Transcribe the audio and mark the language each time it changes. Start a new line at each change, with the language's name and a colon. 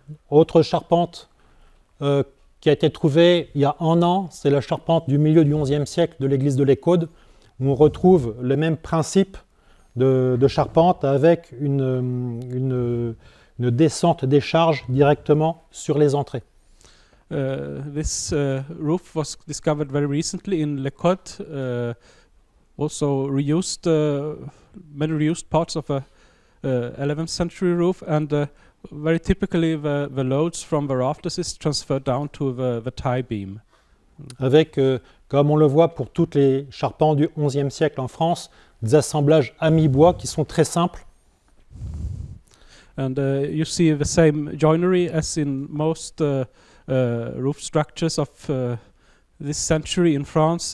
French: Autre charpente qui a été trouvée il y a un an, c'est la charpente du milieu du XIe siècle de l'église de Lécaude. On retrouve le même principe de charpente avec une descente des charges directement sur les entrées.
English: This roof was discovered very recently in Lécaude, also reused, many reused parts of a 11th century roof, and very typically the loads from the rafters is transferred down to the tie beam.
French: Avec comme on le voit pour toutes les charpentes du XIe siècle en France, des assemblages à mi-bois qui sont très simples.
English: And you see the same joinery as in most roof structures of this century in France.